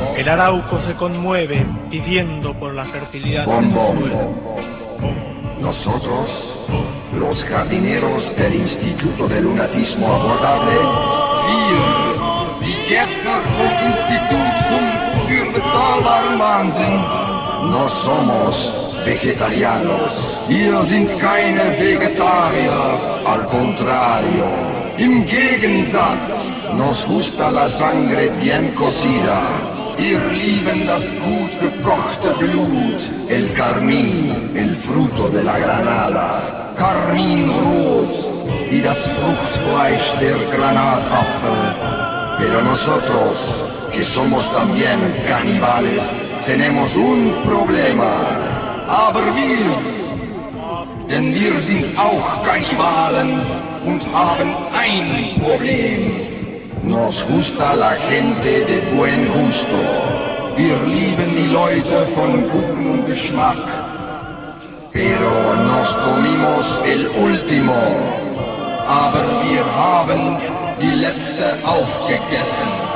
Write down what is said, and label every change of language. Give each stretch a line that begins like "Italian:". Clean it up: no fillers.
Spanish: El Arauco se conmueve pidiendo por la fertilidad bom, del bom, suelo. Bom, bom, bom. Nosotros, los jardineros del Instituto del Lunatismo Abordable,
German: wir, die Gärtner vom Institut zum Fürbetalarmansen,
Spanish: no somos vegetarianos.
German: Wir sind keine Vegetarier,
Spanish: al contrario.
German: Im Gegensatz,
Spanish: nos gusta la sangre bien cocida.
German: Wir lieben das gut gekochte Blut,
Spanish: el carmín, el fruto de la Granada.
German: Carmín rot, y das Fruchtfleisch der Granatapfel.
Spanish: Pero nosotros, que somos también caníbales, tenemos un problema.
German: Aber wir, denn wir sind auch Kannibalen, und haben ein Problem.
Spanish: Nos gusta la gente de buen gusto.
German: Wir lieben die Leute von gutem Geschmack.
Spanish: Pero nos comimos el último.
German: Aber wir haben die letzte aufgegessen.